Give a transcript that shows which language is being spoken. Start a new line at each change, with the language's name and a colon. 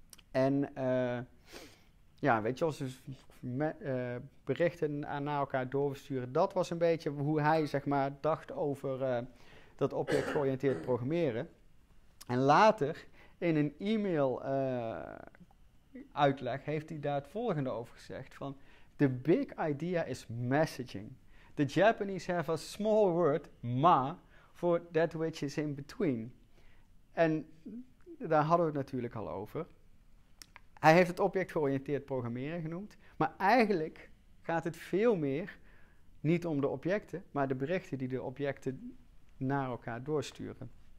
Dutch: En ja, weet je, als we berichten naar elkaar doorsturen, dat was een beetje hoe hij zeg maar dacht over dat object-georiënteerd programmeren. En later in een e-mail uitleg heeft hij daar het volgende over gezegd van:
English: the big idea is messaging. The Japanese have a small word, ma, for that which is in between.
Dutch: En daar hadden we het natuurlijk al over. Hij heeft het object-georiënteerd programmeren genoemd. Maar eigenlijk gaat het veel meer niet om de objecten, maar de berichten die de objecten naar elkaar doorsturen.